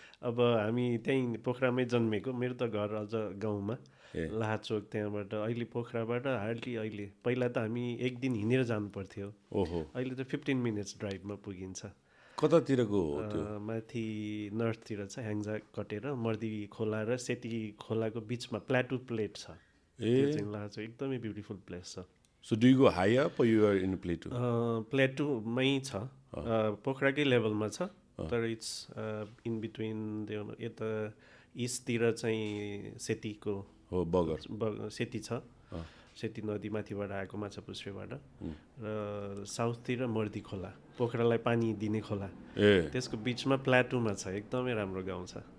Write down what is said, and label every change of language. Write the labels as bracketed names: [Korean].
[Nepali] अब हामी त्यहीँ पोखरामै जन्मेको, मेरो त घर अझ गाउँमा लाहाचोक, त्यहाँबाट अहिले पोखराबाट हार्डली अहिले, पहिला त हामी एक दिन हिँडेर जानु पर्थ्यो. ओहो, अहिले त 15 मिनट्स ड्राइभमा पुगिन्छ. कतातिरको? माथि नर्थतिर छ, ह्याङ्जा कटेर मर्दी खोला र सेती खोलाको बिचमा प्लाटु प्लेट छ. ए, लाहाचोक एकदमै ब्युटिफुल प्लेस छ. [English] So do you go high up or you are in plateau? [Nepali] प्लेटुमै छ, पोखराकै लेभलमा छ, तर [English] It's in between. [Nepali] यता इस्टतिर चाहिँ सेतीको हो, बगर सेती छ, सेती नदी माथिबाट आएको माछा पुस्रेबाट. र साउथतिर मर्दी खोला, पोखरालाई पानी दिने खोला, त्यसको बिचमा प्लाटुमा छ, एकदमै राम्रो गाउँ छ.